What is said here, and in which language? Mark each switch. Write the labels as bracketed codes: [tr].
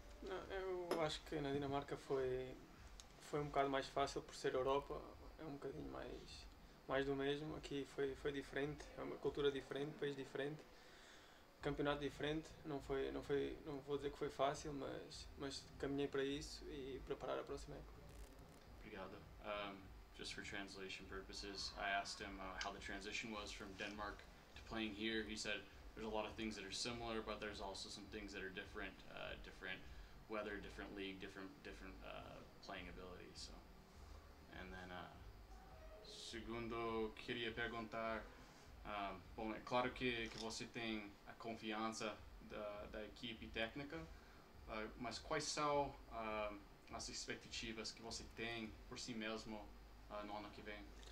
[pt] Não, eu acho que na Dinamarca foi um bocado mais fácil por ser Europa, é um bocadinho mais do mesmo. Aqui foi diferente, é uma cultura diferente, país diferente, campeonato diferente. Não vou dizer que foi fácil, mas caminhei para isso e preparar a próxima época. Obrigado. [en] Just for translation purposes, I asked him how the transition was from Denmark to playing here. He said there's a lot of things that are similar, but there's also some things that are different, different weather, different league, different playing ability. So, and then [pt] segundo, queria perguntar, bom, é claro que você tem a confiança da equipe técnica, mas quais são as expectativas que você tem por si mesmo no ano que vem?